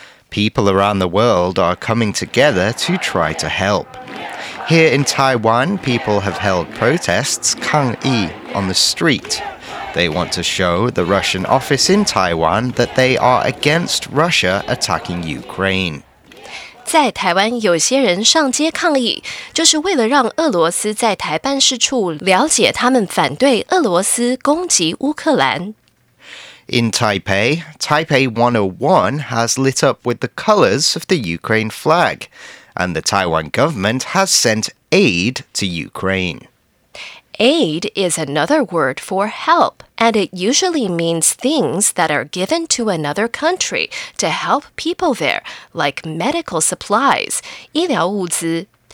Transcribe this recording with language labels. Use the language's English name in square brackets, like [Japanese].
[English] People around the world are coming together to try to help. Here in Taiwan, people have held protests, 抗議, on the street. They want to show the Russian office in Taiwan that they are against Russia attacking Ukraine. [Chinese] 在台湾有些人上街抗议，就是为了让俄罗斯在台办事处了解他们反对俄罗斯攻击乌克兰。 [English] In Taipei, Taipei 101 has lit up with the colors of the Ukraine flag. And the Taiwan government has sent aid to Ukraine. Aid is another word for help, and it usually means things that are given to another country to help people there, like medical supplies, 医疗物资.